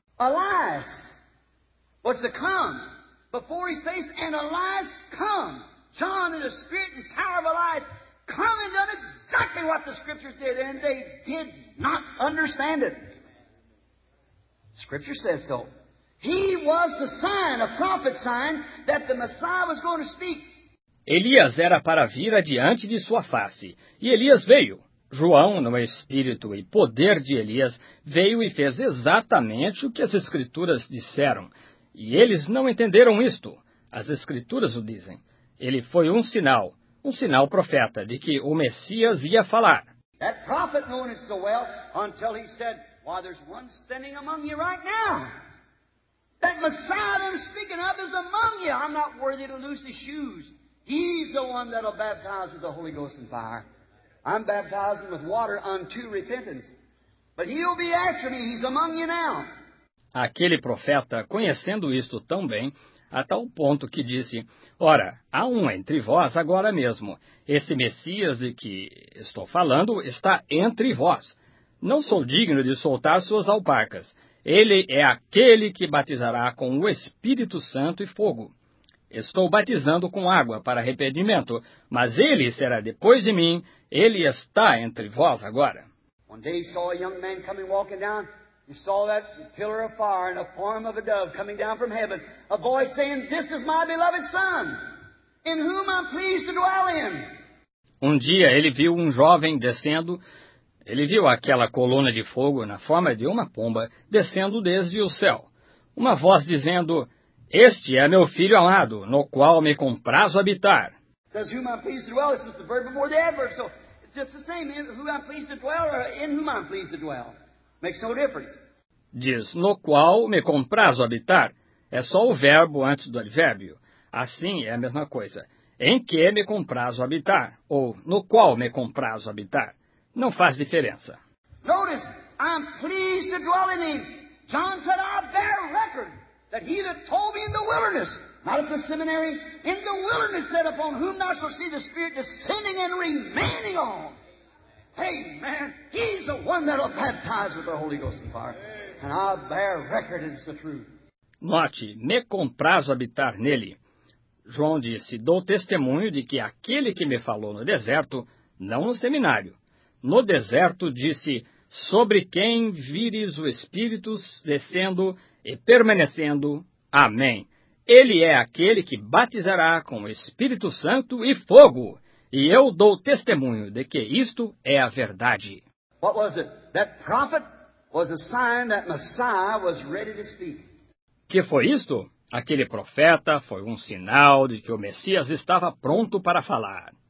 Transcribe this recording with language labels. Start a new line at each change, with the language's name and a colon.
English: Elias was to come before his face, and Elias come. John in the spirit and power of Elias come and done exactly what the scriptures did, and they did not understand it. Scripture says so. He was the sign, a prophet sign, that the Messiah was going to speak.
Portuguese: Elias era para vir adiante de sua face, e Elias veio. João, no espírito e poder de Elias, veio e fez exatamente o que as Escrituras disseram. E eles não entenderam isto. As Escrituras o dizem. Ele foi um sinal profeta, de que o Messias ia falar.
English: That prophet knew it so well until he said, "Why, there's one standing among you right now. That Messiah that I'm speaking of is among you. I'm not worthy to loose his shoes. He's the one that'll baptize with the Holy Ghost and fire. I'm baptizing with water unto repentance. But he'll be after me. He's among you now."
Portuguese: Aquele profeta, conhecendo isto tão bem, a tal ponto que disse, "Ora, há um entre vós agora mesmo. Esse Messias de que estou falando está entre vós. Não sou digno de soltar suas alpacas. Ele é aquele que batizará com o Espírito Santo e fogo. Estou batizando com água para arrependimento, mas ele será depois de mim. Ele está entre vós agora."
English: One day he saw a young man coming walking down. He saw that pillar of fire in the form of a dove coming down from heaven. A voice saying, "This is my beloved son, in whom I'm pleased to dwell in."
Portuguese: Um dia ele viu um jovem descendo. Ele viu aquela coluna de fogo na forma de uma pomba descendo desde o céu. Uma voz dizendo, "Este é meu filho amado, no qual me comprazo habitar."
English: Says, "whom I'm pleased to dwell," it's just the verb before the adverb. So it's just the same, who I'm pleased to dwell or in whom I'm pleased to dwell. Makes no difference.
Portuguese: Diz, "no qual me comprazo habitar." É só o verbo antes do advérbio. Assim é a mesma coisa. Em que me comprazo habitar? Ou no qual me comprazo habitar? Não faz diferença.
English: Notice, I'm pleased to dwell in him. John said, "I bear record that he that told me in the wilderness," not at the seminary, "in the wilderness said, upon whom thou shalt see the Spirit descending and remaining on. Hey, man, he's the one that'll baptize with the Holy Ghost and fire. And I bear record it's the truth."
Portuguese: Note, "me comprazo habitar nele." João disse, "dou testemunho de que aquele que me falou no deserto, não no seminário. No deserto disse, sobre quem vires o Espírito descendo e permanecendo, amém. Ele é aquele que batizará com o Espírito Santo e fogo. E eu dou testemunho de que isto é a verdade."
English: What was it? That prophet was a sign that Messiah was ready to speak.
Portuguese: Que foi isto? Aquele profeta foi um sinal de que o Messias estava pronto para falar.